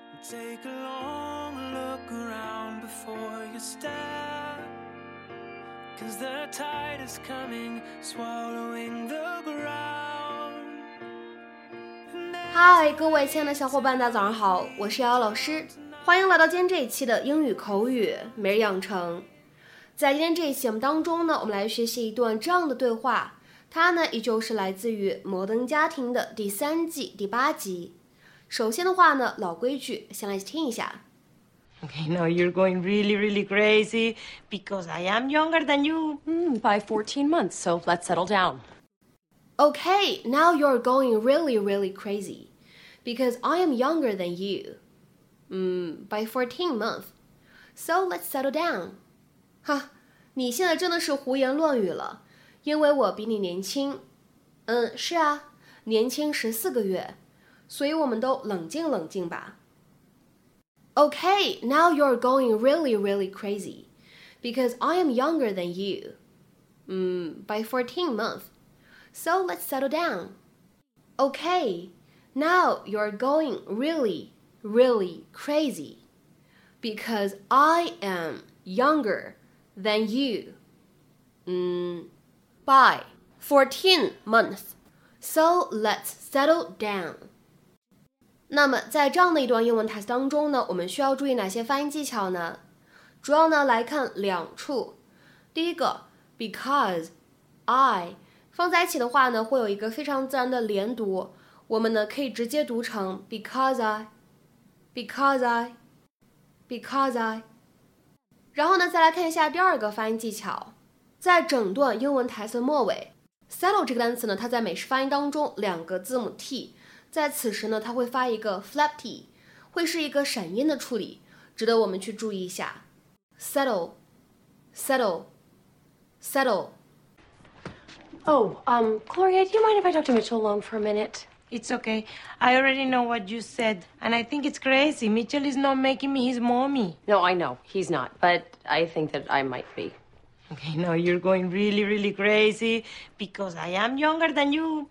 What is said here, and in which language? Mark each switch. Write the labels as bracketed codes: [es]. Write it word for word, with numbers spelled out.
[en] Take a long look around before you step, 'cause the tide is coming, swallowing the ground. [zh] 嗨，各位亲爱的小伙伴，大家早上好，我是姚老师，欢迎来到今天这一期的英语口语每日养成。在今天这一期节目当中呢，我们来学习一段这样的对话，它呢依旧是来自于《摩登家庭》的第三季第八集。首先的话呢，老规矩，先来听一下。 [en] Okay, now you're going really, really crazy because I am younger than you mm, by fourteen months, so let's settle down. Okay, now you're going really, really crazy because I am younger than you mm, by fourteen months, so let's settle down. [zh] 哈，你现在真的是胡言乱语了，因为我比你年轻。嗯，是啊，年轻十四个月。所以我们都冷静冷静吧。 [en] Okay, now you're going really, really crazy, because I am younger than you, mm, by fourteen months, so let's settle down. Okay, now you're going really, really crazy, because I am younger than you, mm, by fourteen months, so let's settle down. [zh] 那么在这样的一段英文台词当中呢，我们需要注意哪些发音技巧呢？主要呢来看两处。第一个 because I 放在一起的话呢，会有一个非常自然的连读，我们呢可以直接读成 [en] because I because I because I。 [zh] 然后呢再来看一下第二个发音技巧，在整段英文台词末尾 settle 这个单词呢，它在美式发音当中两个字母 t，在此时呢它会发一个 flap t， 会是一个闪音的处理，值得我们去注意一下。 [en] settle settle settle Oh, um, Gloria, do you mind if I talk to Mitchell alone for a minute? It's okay, I already know what you said, and I think it's crazy. Mitchell is not making me his mommy. No, I know, he's not, but I think that I might be. Okay, now you're going really, really crazy because I am younger than you